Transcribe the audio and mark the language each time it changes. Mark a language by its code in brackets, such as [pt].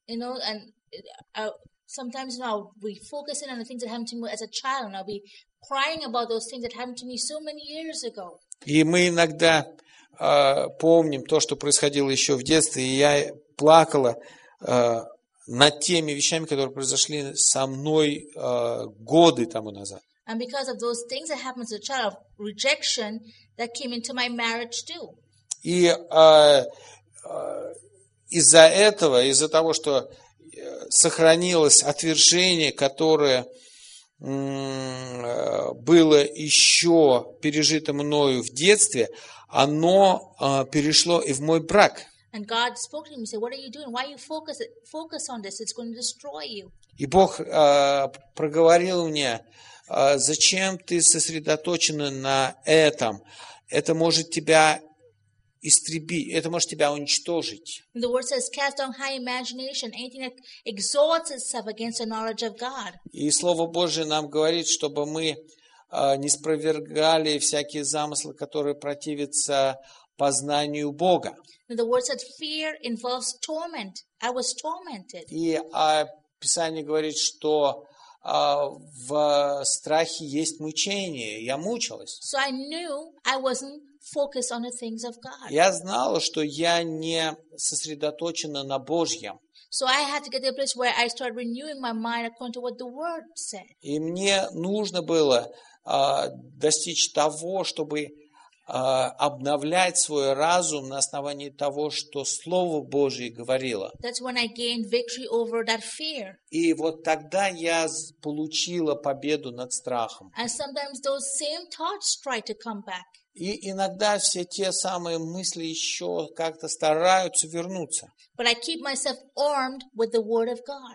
[en] You know, and sometimes, you know, I'll be focusing on the things that happened to me as a child, and I'll be crying about those things that happened to me so many years ago. [ru] И мы иногда помним то, что происходило еще в детстве, и я плакала над теми вещами, которые произошли со мной годы тому назад. [en] And because of those things that happened to the child of rejection that came into my marriage too. [ru] И из-за этого, из-за того, что сохранилось отвержение, которое было еще пережито мною в детстве, оно перешло и в мой брак. [en] And God spoke to me and said, "What are you doing? Why are you focus on this? It's going to destroy you." [ru] И Бог проговорил мне: зачем ты сосредоточена на этом? Это может тебя истребить, это может тебя уничтожить. [en] The word says, cast down high imagination, anything that exalts itself against the knowledge of God. [ru] И Слово Божие нам говорит, чтобы мы не спровергали всякие замыслы, которые противятся познанию Бога. [en] The word says, fear involves torment. I was tormented. [ru] И Писание говорит, что в страхе есть мучение. Я мучилась. [en] So I knew I wasn't focused on the things of God. [ru] Я знала, что я не сосредоточена на Божьем. [en] So I had to get to a place where I started renewing my mind according to what the Word said. [ru] И мне нужно было достичь того, чтобы обновлять свой разум на основании того, что Слово Божие говорило. [en] That's when I gained victory over that fear. [ru] И вот тогда я получила победу над страхом. [en] And sometimes those same thoughts try to come back. [ru] И иногда все те самые мысли еще как-то стараются вернуться. [en] But I keep myself armed with the Word of God.